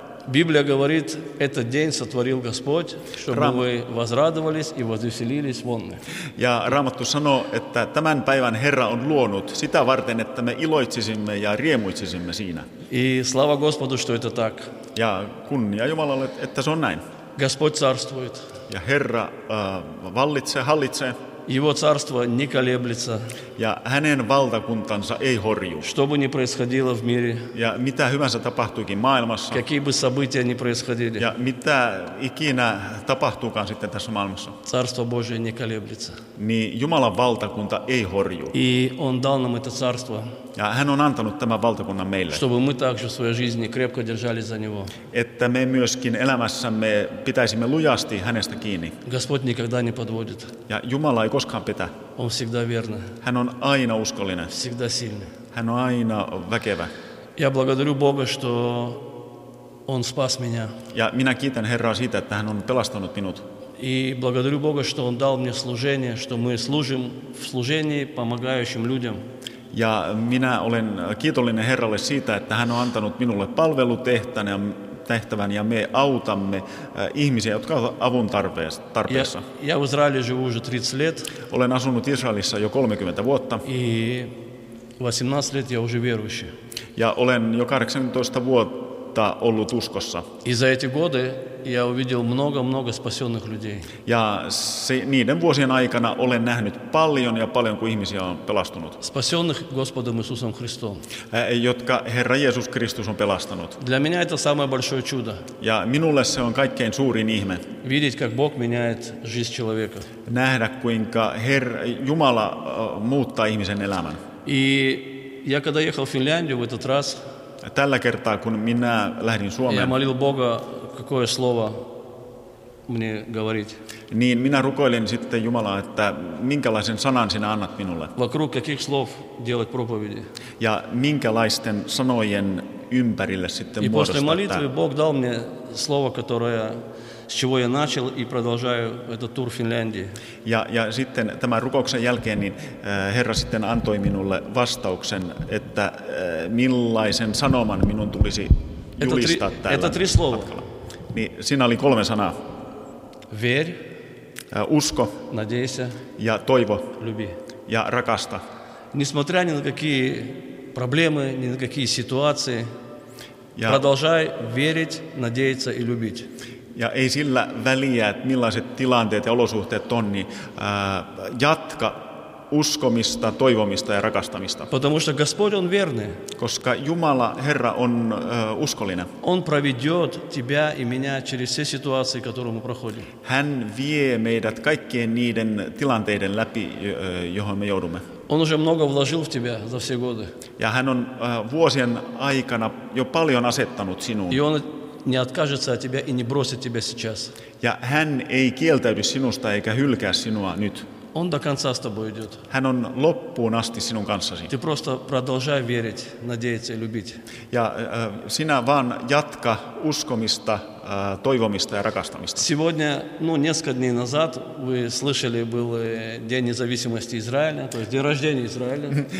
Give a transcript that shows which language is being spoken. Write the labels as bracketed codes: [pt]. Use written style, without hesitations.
[ru] Библия говорит, этот день сотворил Господь, чтобы мы возрадовались и возвеселились вонны. [fi] Ja Raamattu sanoo, että tämän päivän Herra on luonut sitä varten, että me iloitsisimme ja riemuitsisimme siinä. [ru] И слава Господу, что это так. [fi] Ja kunnia Jumalalle, että se on näin. [ru] Господь царствует. [fi] Ja Herra hallitsee. [ru] Его царство не колеблется. [fi] Ja hänen valtakuntansa ei horju. [ru] Что бы ни происходило в мире. [fi] Ja mitä hyvänsä tapahtuukin maailmassa. [ru] Какие бы события ни происходили. [fi] Ja mitä ikinä tapahtuukaan sitten tässä maailmassa. [ru] Царство Божие не колеблется. [fi] Niin Jumalan valtakunta ei horju. [ru] И он дал нам это царство. [fi] Ja hän on antanut tämän valtakunnan meille. [ru] Чтобы мы также в своей жизни крепко держались за него. [fi] Että me myöskin elämässämme pitäisimme lujasti hänestä kiinni. [ru] Господь никогда не подводит. [fi] Ja Jumala ei koskaan petä. [ru] Он всегда верный. [fi] Hän on aina uskollinen. [ru] Всегда сильный. [fi] Hän on aina väkevä. [ru] Я благодарю Бога, что он спас меня. [fi] Ja minä kiitän Herraa siitä, että hän on pelastanut minut. [ru] И благодарю Бога, что он дал мне служение, что мы служим в служении помогающим людям. [fi] Ja minä olen kiitollinen Herralle siitä, että hän on antanut minulle palvelutehtävän ja me autamme ihmisiä, jotka ovat avun tarpeessa. [ru] Я в Израиле живу уже 30 лет. [fi] Olen asunut Israelissa jo 30 vuotta. [ru] И 18 лет я уже верующий. [fi] Ja olen jo 18 vuotta ollut uskossa. [ru] И за эти годы я увидел много спасенных людей. [fi] Ja niiden vuosien aikana olen nähnyt paljon ja paljon, kun ihmisiä on pelastunut. [ru] Спасенных Господом Иисусом Христом. [fi] Jotka Herra Jeesus Kristus on pelastanut. [ru] Для меня это самое большое чудо. [fi] Ja minulle se on kaikkein suurin ihme. [ru] Видеть, как Бог меняет жизнь человека. [fi] Nähdä, kuinka Jumala muuttaa ihmisen elämän. [ru] И я когда ехал в Финляндию в этот раз. [fi] Tällä kertaa, kun minä lähdin Suomeen. [ru] Я молил Бога какое слово мне говорить? [fi] Niin minä rukoilin sitten Jumalaa, että minkälaisen sanan sinä annat minulle? [ru] Вокруг каких слов делать проповеди? [fi] Ja minkälaisten sanojen ympärille sitten [ru] muodostaa? И после молитвы Бог дал мне слово, которое с чего я начал и продолжаю этот тур Финляндии. [fi] Ja sitten tämän rukouksen jälkeen niin Herra sitten антой minulle vastauksen, että millaisen sanoman minun tulisi julistaa täällä. [ru] Это три слова. [fi] Niin siinä oli kolme sanaa. [ru] Верь. [fi] Usko. [ru] Надейся. [fi] Ja toivo. [ru] Люби. [fi] Ja rakasta. [ru] Несмотря ни на какие проблемы, ни на какие ситуации, ja продолжай верить, надеяться и любить. [fi] Ja ei sillä väliä, että millaiset tilanteet ja olosuhteet on, niin jatka uskomista, toivomista ja rakastamista. [ru] Потому что Господь он верный. [fi] Koska Jumala, Herra, on uskollinen. [ru] Он проведет тебя и меня через все ситуации, которые мы проходим. [fi] Hän vie meidät kaikkien niiden tilanteiden läpi, johon me joudumme. [ru] Он уже много вложил в тебя за все годы. [fi] Ja hän on vuosien aikana jo paljon asettanut sinuun. [ru] И он не откажется от тебя и не бросит тебя сейчас. [fi] Ja hän ei kieltäydy sinusta eikä hylkää sinua nyt. [ru] Он до конца с тобой идет. [fi] Hän on loppuun asti sinun kanssasi. [ru] Ты просто продолжай верить, надеяться и любить. [fi] Ja sinä vaan jatka uskomista, toivomista ja rakastamista. [ru] Сегодня, ну, несколько дней назад вы слышали, был день независимости Израиля, то есть день рождения Израиля.